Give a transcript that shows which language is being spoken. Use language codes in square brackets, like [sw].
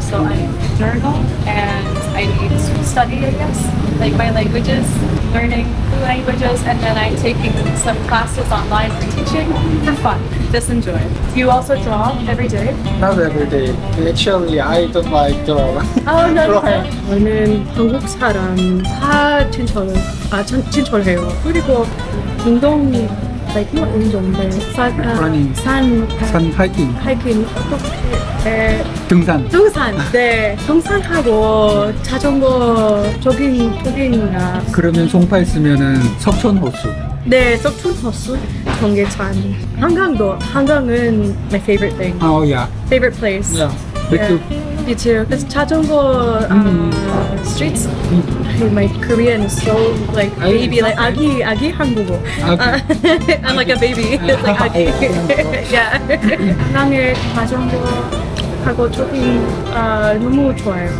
[en] So I journal and I need to study, I guess, like my languages, learning languages, and then I'm taking some classes online for teaching for fun. Just enjoy. Do you also draw every day? Not every day. Actually, I don't like drawing. Oh, no. [ko] 저는 한국 사람 다 친절해요. 그리고 운동이 like 뭐 운동인데 산 하이킹. 하이킹 어떻게? 등산. 등산. 네. 등산하고 자전거 조깅이나. 그러면 송파 있으면은 석촌호수. 네, 석촌호수. 경계천. 한강도. [en] 한강은 my favorite thing. Oh yeah. Favorite place. Yeah. Yeah. Me too. You too. [ko] 그 자전거 streets. [en] My Korean is so like baby, like 아기 한국어. I'm like a baby. It's like 아기. Yeah. [ko] 한강에 자전거 타고 조깅 너무 좋아요.